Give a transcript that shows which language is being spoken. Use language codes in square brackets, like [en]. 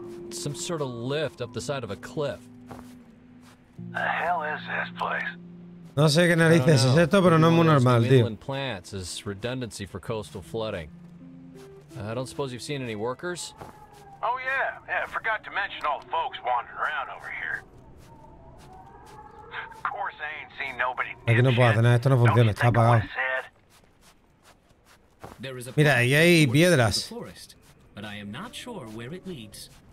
[en] Some sort of lift up the side of a cliff. The hell is this place? [es] No sé qué narices es esto, pero no es muy normal, tío. [en] Inland plants is redundancy for coastal flooding. I don't suppose you've seen any workers? Oh yeah, I forgot to mention all the folks wandering around over here. Of course I ain't seen nobody. [es] Aquí no puedo hacer nada, esto no funciona, está apagado. Mira, ahí hay piedras. [en] But I am not sure where it leads.